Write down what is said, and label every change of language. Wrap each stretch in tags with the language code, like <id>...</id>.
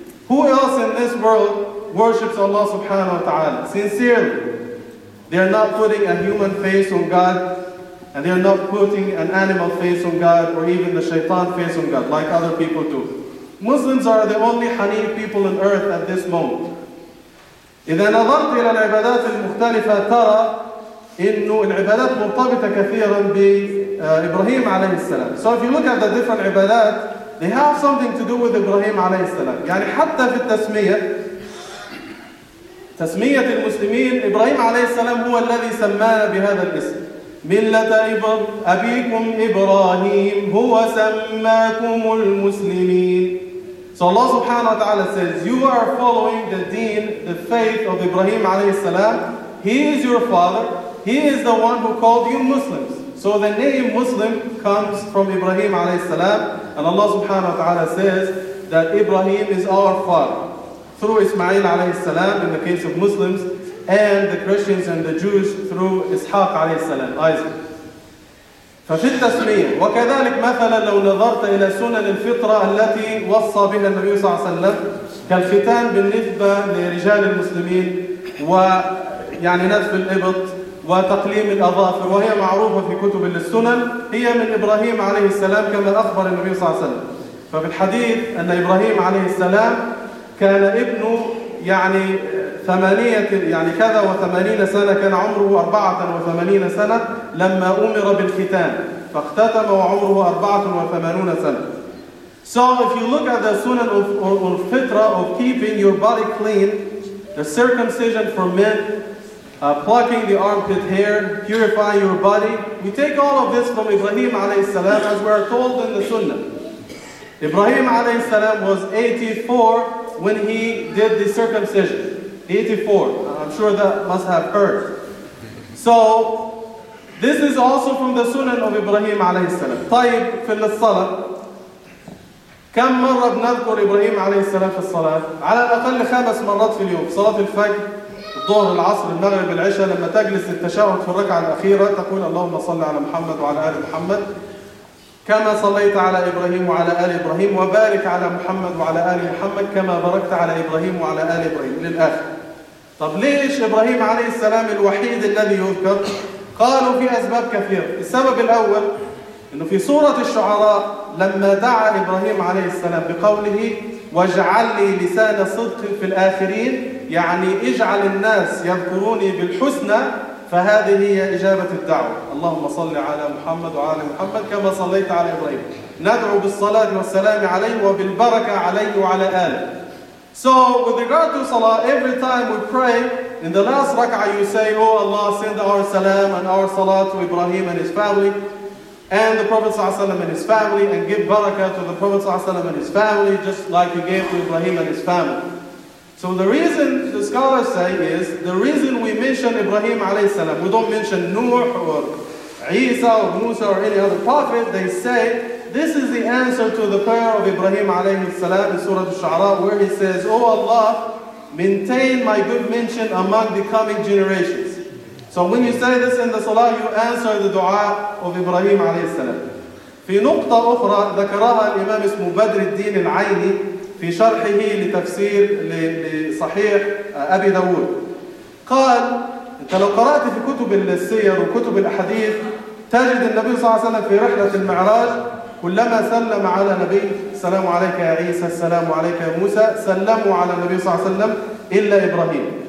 <en>Who else in this world worships Allah subhanahu wa ta'ala sincerely? They are not putting a human face on God, and they are not putting an animal face on God, or even the shaitan face on God, like other people do. Muslims are the only hanif people on earth at this moment.</en> <ar>إذا نظرت إلى العبادات المختلفة ترى إن العبادات مرتبطة كثيرا بإبراهيم عليه السلام.</ar> <en>So if you look at the different عبادات, they have something to do with Ibrahim عليه السلام.</en> <ar>يعني حتى في التسمية، تسمية المسلمين، إبراهيم عليه السلام هو الذي سمانا بهذا الاسم. ملة أبيكم إبراهيم هو سماكم المسلمين.</ar> <en>So Allah سبحانه وتعالى says, you are following the deen, the faith of Ibrahim عليه السلام. He is your father. He is the one who called you Muslims. So the name Muslim comes from Ibrahim عليه السلام. And Allah subhanahu wa ta'ala says that Ibrahim is our father through Ismail alayhi salam in the case of Muslims, and the Christians and the Jews through Ishaq alayhi salam, Isaac.</en> <ar>ففي التسمية وكذلك مثلا لو نظرت إلى سنن الفطرة التي وصى بها النبي صلى الله عليه وسلم كالختان بالنسبة لرجال المسلمين ويعني نتف الإبط وتقليم الأظافر، وهي معروفة في كتب السنن، هي من إبراهيم عليه السلام كما أخبر النبي صلى الله عليه وسلم. ففي الحديث أن إبراهيم عليه السلام كان ابنه يعني ثمانية يعني كذا وثمانين سنة، كان عمره 84 سنة لما أمر بالختان، فاختتم وعمره 84 سنة.</ar> <en>So if you look at the sunan of fitra of keeping your body clean, the circumcision for men, plucking the armpit hair, purifying your body. We take all of this from Ibrahim alayhi salam, as we are told in the Sunnah. Ibrahim alayhi salam was 84 when he did the circumcision. 84. I'm sure that must have heard. So this is also from the Sunan of Ibrahim alayhi salam.</en> <ar>طيب في الصلاة كم مرة بنذكر إبراهيم عليه السلام في الصلاة؟ على الأقل 5 مرات في اليوم، صلاة الفجر، الظهر، العصر، المغرب، العشاء، لما تجلس للتشهد في الركعة الأخيرة تقول اللهم صل على محمد وعلى آل محمد كما صليت على إبراهيم وعلى آل إبراهيم وبارك على محمد وعلى آل محمد كما باركت على إبراهيم وعلى آل إبراهيم للآخر. طب ليش إبراهيم عليه السلام الوحيد الذي يذكر؟ قالوا في أسباب كثيرة. السبب الأول إنه في سورة الشعراء لما دعا إبراهيم عليه السلام بقوله واجعل لي لسان صدق في الآخرين، يعني اجعل الناس يذكروني بالحسنى، فهذه هي إجابة الدعوة، اللهم صل على محمد وعلى محمد كما صليت على إبراهيم، ندعو بالصلاة والسلام عليه وبالبركة عليه وعلى آله.</ar> <en>So with regard to salah, every time we pray, in the last rak'ah you say, oh Allah, send our salam and our salah to Ibrahim and his family and the Prophet ﷺ and his family, and give barakah to the Prophet ﷺ and his family, just like you gave to Ibrahim and his family. So the reason, the scholars say, is the reason we mention Ibrahim alayhi salam, we don't mention Nuh or Isa or Musa or any other prophet. They say this is the answer to the prayer of Ibrahim alayhi salam in Surah Al-Shu'ara, where he says, oh Allah, maintain my good mention among the coming generations. So when you say this in the salah, you answer the dua of Ibrahim alayhi salam.</en> <ar>في نقطة أخرى ذكرها الإمام اسمه بدر الدين العيني في شرحه لتفسير لصحيح أبي داود. قال أنت لو قرأت في كتب السير وكتب الأحاديث تجد النبي صلى الله عليه وسلم في رحلة المعراج كلما سلم على نبي السلام عليك يا عيسى السلام عليك يا موسى سلموا على النبي صلى الله عليه وسلم إلا إبراهيم.</ar>